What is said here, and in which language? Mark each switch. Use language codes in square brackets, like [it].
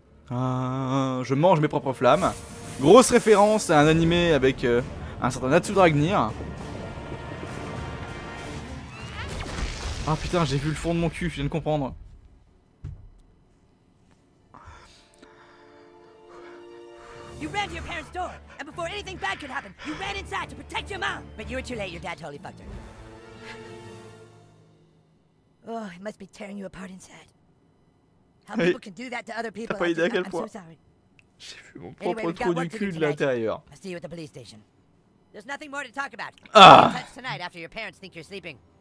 [fr] Je mange mes propres flammes. Grosse référence à un animé avec un certain Natsu Dragnir. Ah putain, j'ai vu le fond de mon cul, je viens de comprendre. [en] You ran to your parents' door, and before anything bad could happen, you ran inside to protect your mom. But you were too late, your dad totally fucked her. Oh, it must be tearing you apart inside. How people can do that to other people? [fr] T'as pas idée à quel point. [en] I'm so sorry. [fr] J'ai vu mon propre trou du cul de l'intérieur. [en] I'll see you at the police station. There's nothing more to talk about. Touch tonight after your parents think you're sleeping.